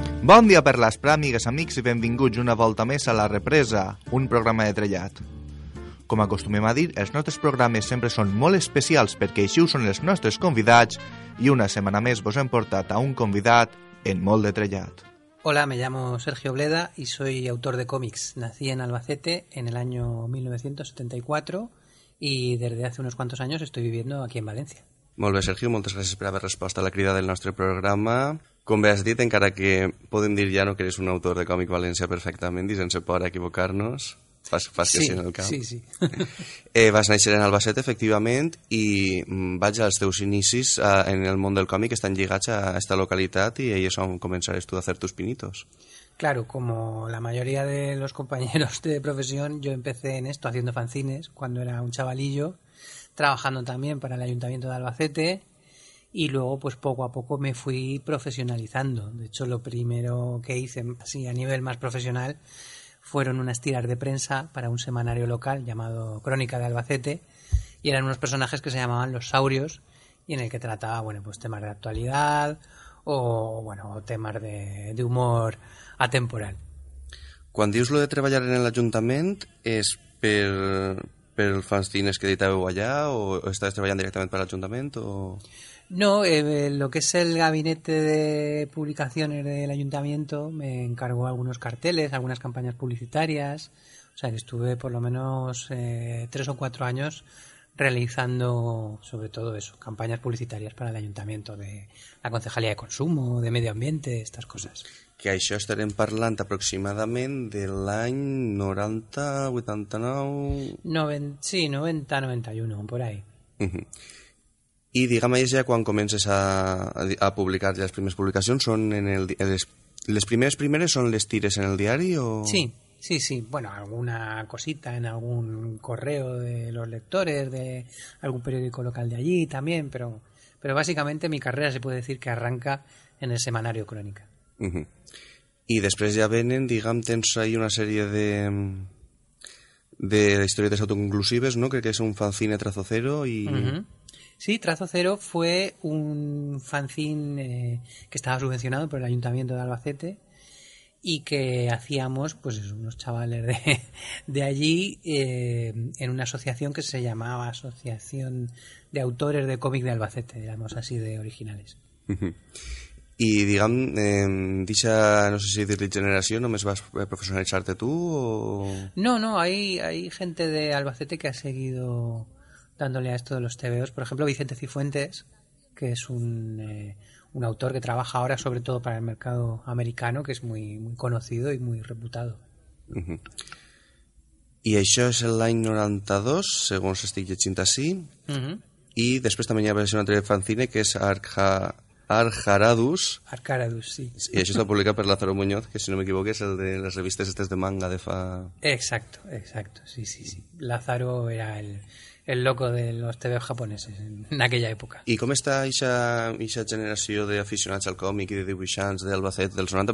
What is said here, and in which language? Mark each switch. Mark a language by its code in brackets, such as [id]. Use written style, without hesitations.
[ca] Bon dia per les pràmigues, amics, i benvinguts una volta més a La Represa, un programa de trellat. Com acostumem a dir, els nostres programes sempre són molt especials perquè així ho són els nostres convidats i una setmana més vos hem portat a un convidat en molt de trellat. [es] Hola, me llamo Sergio Bleda y soy autor de cómics. Nací en Albacete en el año 1974 y desde hace unos cuantos años estoy viviendo aquí en Valencia. [ca] Molt bé, Sergio, moltes gràcies per haver respost a la crida del nostre programa. Com bé has dit, encara que podem dir ja no que eres un autor de còmic valencià perfectament i sense por a equivocar-nos, fas que sí en el cap. Sí, sí. Vas néixer en Albacete, efectivament, i vaig als teus inicis en el món del còmic, estan lligats a esta localitat i ahí és on començaràs tu a fer [es] tus pinitos. Claro, como la mayoría de los compañeros de profesión, yo empecé en esto haciendo fanzines cuando era un chavalillo, trabajando también para el Ayuntamiento de Albacete, y luego pues poco a poco me fui profesionalizando. De hecho, lo primero que hice así a nivel más profesional fueron unas tiras de prensa para un semanario local llamado Crónica de Albacete, y eran unos personajes que se llamaban Los Saurios, y en el que trataba, bueno, pues temas de actualidad o, bueno, temas de humor atemporal. [ca] Quan dius lo de treballar en l'Ajuntament, és per els fanzines que editàveu allà o estàs treballant directament per l'Ajuntament o...? [es] No, lo que es el gabinete de publicaciones del ayuntamiento me encargó algunos carteles, algunas campañas publicitarias. O sea, que estuve por lo menos 3 o 4 años realizando sobre todo eso, campañas publicitarias para el ayuntamiento, de la concejalía de consumo, de medio ambiente, estas cosas. [ca] Que això estarem parlant aproximadament de l'any 90, 89... [es] 90, sí, 90, 91, por ahí. [ca] I digue'm, és ja quan comences a publicar les primeres publicacions, són en el, les primeres són les tires en el diari o...? [es] Sí, sí, sí. Bueno, alguna cosita en algun correo de los lectores, de algún periódico local de allí también, pero básicamente mi carrera se puede decir que arranca en el semanario Crónica. [ca] I després ja venen, digue'm, tens ahí una sèrie de... historietes autoconclusives, ¿no? Crec que és un fanzine Trazo Cero i... [es] Sí, Trazo Cero fue un fanzine que estaba subvencionado por el Ayuntamiento de Albacete y que hacíamos, pues unos chavales de allí, en una asociación que se llamaba Asociación de Autores de Cómic de Albacete, digamos así, de originales. Y digan, dicha, no sé si de generación, ¿no me vas a profesionalizarte tú o...? No, no, hay gente de Albacete que ha seguido dándole a esto de los TVOs. Por ejemplo, Vicente Cifuentes, que es un autor que trabaja ahora sobre todo para el mercado americano, que es muy, muy conocido y muy reputado. [ca] Y això és el any 92, según se estic llegint así. [es] Y después también ya apareció una otra fanzine que es Arjaradus, sí. [ca] Y això està publicat per Lázaro Muñoz, que [es] si no me equivoco [ca] és el de les revistes estes de manga de fa... [es] Exacto, exacto, sí, sí, sí. Lázaro era el loco de los TVOs japoneses en aquella época. [ca] I com està aquesta generació d'aficionats al còmic i de dibuixants d'Albacete dels 90?